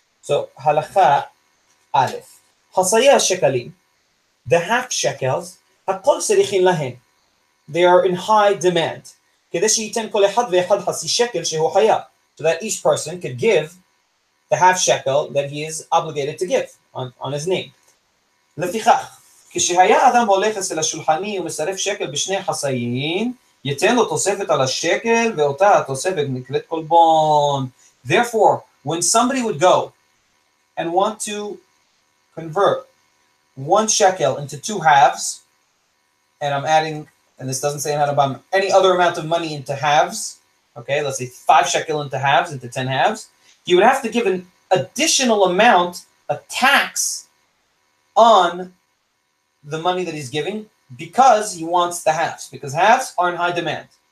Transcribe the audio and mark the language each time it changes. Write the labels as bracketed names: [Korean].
[Hebrew] So halacha aleph. Hasayah shekalim, [English] the half shekels, [Hebrew] hakol serichin lahen. [English] They are in high demand. So that each person could give the half shekel that he is obligated to give on his name. [Hebrew] לפיכך, כשהיה אדם הולך אצל השולחני ומסרף שקל בשני חסאים, יתן לו תוספת על השקל ואותה תוספת נקראת קולבון. [English] Therefore, when somebody would go and want to convert one shekel into two halves, and I'm adding, and this doesn't say in Hanabam, any other amount of money into halves, okay, let's say five shekel into halves, into ten halves, he would have to give an additional amount, a tax, on the money that he's giving, because he wants the halves, because halves are in high demand.